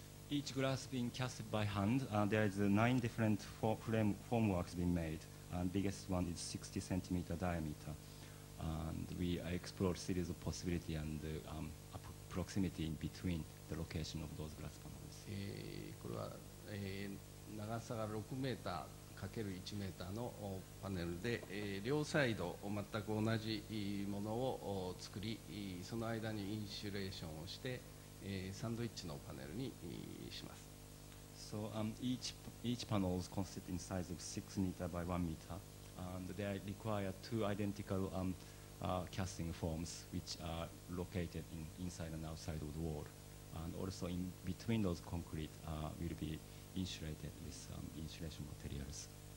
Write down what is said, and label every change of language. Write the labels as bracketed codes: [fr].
[en] Each glass being casted by hand, there is nine different frameworks being made, and biggest one is 60 centimeter diameter. And we explore series of possibility and proximity in between the location of those glass panels. [ja] これは長さが6メーターかける1メーターのパネルで、両サイド全く同じものを作り、その間にインシュレーションをして、サンドイッチのパネルにします。 [en] So, each panel is constructed in size of 6 meter by 1 meter, and they require two identical casting forms, which are located in inside and outside of the wall. And also in between those concrete will be insulated with insulation materials.